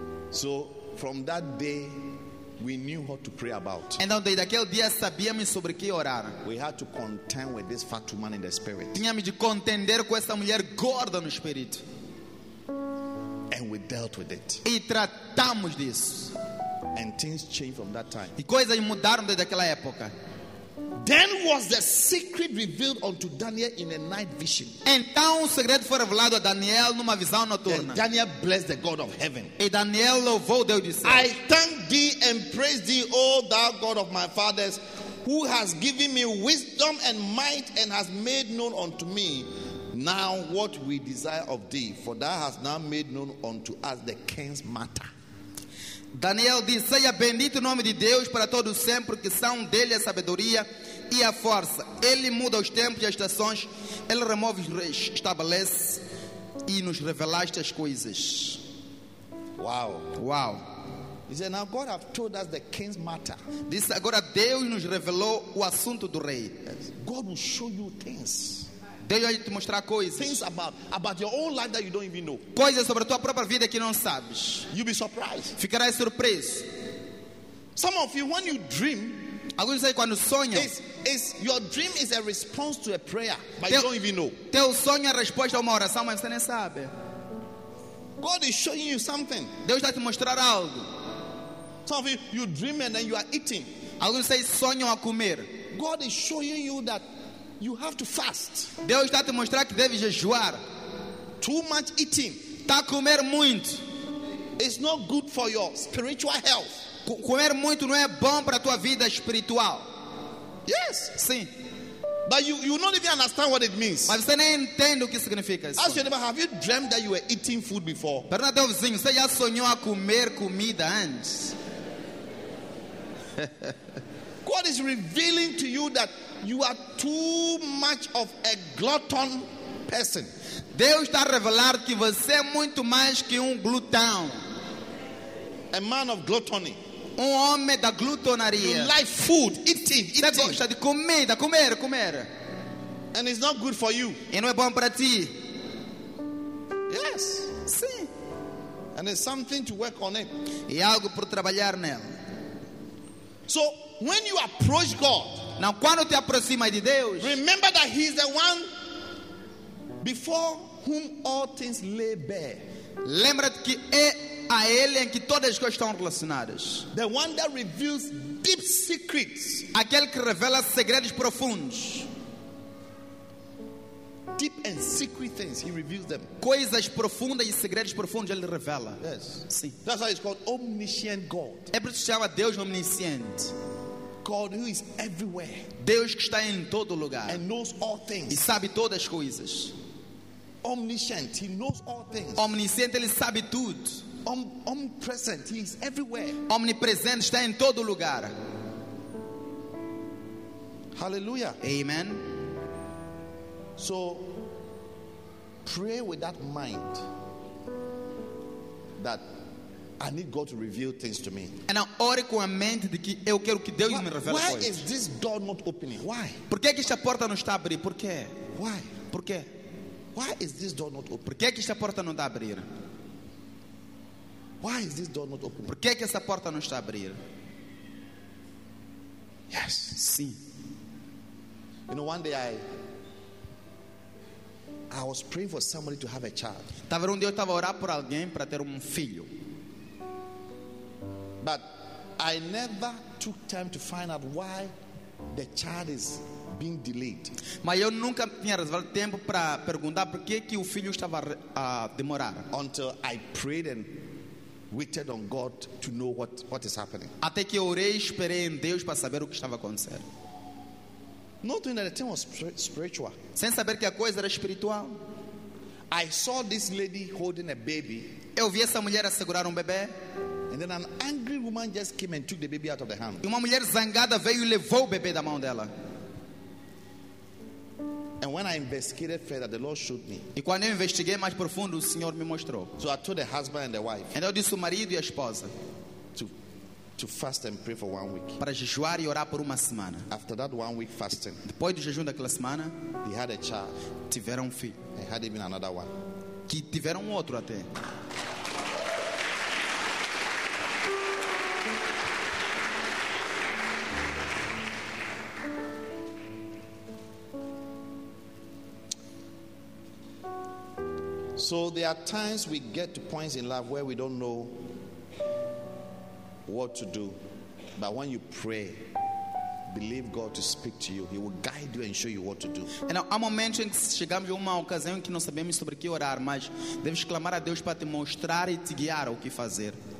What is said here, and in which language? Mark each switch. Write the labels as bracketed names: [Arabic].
[English] So from that day we knew what to pray about. [Portuguese] Então desde aquele dia sabíamos sobre que orar. [English] We had to contend with this fat woman in the spirit. [Portuguese] Tínhamos de contender com essa mulher gorda no espírito. [English] And we dealt with it. [Portuguese] E tratamos disso. [English] And things changed from that time. [Portuguese] E coisas mudaram desde aquela época. [English] Then was the secret revealed unto Daniel in a night vision. [Portuguese] Então o segredo foi revelado a Daniel numa visão noturna. [English] Then Daniel blessed the God of heaven. [Portuguese] E Daniel louvou Deus de [English] céu. I thank thee and praise thee, O thou God of my fathers, who has given me wisdom and might and has made known unto me now what we desire of thee, for thou hast now made known unto us the king's matter. [Portuguese] Daniel disse: seja bendito o nome de Deus para todos sempre, que são dele a sabedoria e a força. Ele muda os tempos e as estações, ele remove os reis, estabelece e nos revelaste as coisas. [English] Wow. Wow. He said, now God have told us the king's matter. [Portuguese] Disse, agora Deus nos revelou o assunto do rei. [English] Yes. God will show you things. [Portuguese] Deus vai te mostrar coisas. [English] Things about your own life that you don't even know. [Portuguese] Coisas sobre a tua própria vida que não sabes. [English] You'll be surprised. [Portuguese] Ficarás surpreso. [English] Some of you, when you dream, [Portuguese] alguns dizem quando sonham, [English] is your dream is a response to a prayer, but you don't even know. [Portuguese] Teu sonho é a resposta a uma oração, mas você nem sabe. [English] God is showing you something. [Portuguese] Deus está te mostrar algo. [English] Some of you dream and then you are eating. [Portuguese] Alguns dizem sonham a comer. [English] God is showing you that you have to fast. [Portuguese] Deus está te mostrando que deve jejuar. [English] Too much eating. [Portuguese] Está a comer muito. [English] It's not good for your spiritual health. [Portuguese] Comer muito não é bom para a tua vida espiritual. [English] Yes. [Portuguese] Sim. [English] But you don't even understand what it means. [Portuguese] Mas você nem entende o que significa isso. [English] Ask your neighbor, have you dreamt that you were eating food before? [Portuguese] Pergunta ao vizinho, você já sonhou a comer comida antes? [English] God is revealing to you that you are too much of a glutton person. [Portuguese] Deus está revelando que você é muito mais que glutão. [English] A man of gluttony. [Portuguese] Homem da glutonaria. [English] You like food, eating. [Portuguese] Você gosta de comida, comer. [English] And it's not good for you. [Portuguese] E não é bom para ti. [English] Yes. [Portuguese] Sim. [English] And it's something to work on it. [Portuguese] E algo para trabalhar nela. [English] So when you approach God, [Portuguese] now quando te aproxima de Deus, [English] remember that He is the one before whom all things lay bare. [Portuguese] Lembra-te que é a Ele em que todas as coisas estão relacionadas. [English] The one that reveals deep secrets. [Portuguese] Aquele que revela segredos profundos. [English] Deep and secret things, He reveals them. [Portuguese] Coisas profundas e segredos profundos Ele revela. [English] Yes. [Portuguese] Sim. [English] That's why it's called omniscient God. [Portuguese] É por isso que chama Deus omnisciente. [English] God who is everywhere. [Portuguese] Deus que está em todo lugar. [English] And knows all things. [Portuguese] E sabe todas as coisas. [English] Omniscient, He knows all things. [Portuguese] Omnisciente, Ele sabe tudo. [English] Omnipresent, He is everywhere. [Portuguese] Omnipresente, está em todo lugar. Hallelujah. Amen. [English] So pray with that mind that I need God to reveal things to me. And I [Portuguese] ore com a mente de que eu quero que Deus me revele coisas. [English] Why is this door not opening? Why? [Portuguese] Por que esta porta não está a abrir? Por quê? [English] Why? [Portuguese] Por quê? [English] Why is this door not open? [Portuguese] Por que esta porta não está a abrir? [English] Why is this door not open? [Portuguese] Por que esta porta não está a abrir? [English] Yes. [Portuguese] Sim. [English] You know, one day I was praying for somebody to have a child. [Portuguese] Tava um dia eu tava orando por alguém para ter filho. [English] But I never took time to find out why the child is being delayed. [Portuguese] Mas eu nunca tinha reservado tempo para perguntar por que o filho estava a demorar. [English] Until I prayed and waited on God to know what is happening. [Portuguese] Até que eu orei e esperei em Deus para saber o que estava acontecendo. [English] Not knowing that the thing was spiritual. [Portuguese] Sem saber que a coisa era espiritual. [English] I saw this lady holding a baby. [Portuguese] Eu vi essa mulher a segurar bebê. [English] And then an angry woman just came and took the baby out of the hand. [Portuguese] E uma mulher zangada veio e levou o bebê da mão dela. [English] And when I investigated further, the Lord showed me. [Portuguese] E quando eu investiguei mais profundo, o Senhor me mostrou. [English] So I told the husband and the wife. [Portuguese] Então eu disse ao marido e à esposa. [English] To fast and pray for 1 week. [Portuguese] Para jejuar e orar por uma semana. [English] After that 1 week fasting. [Portuguese] Depois do jejum daquela semana, [English] they had a child. [Portuguese] Tiveram filho. [English] And had even another one. [Portuguese] Que tiveram outro até. [English] So there are times we get to points in life where we don't know what to do. But when you pray, believe God to speak to you. He will guide you and show you what to do. [Portuguese] E há momentos em que chegamos a uma ocasião em que não sabemos sobre o que orar, mas deves clamar a Deus para te mostrar e te guiar o que fazer.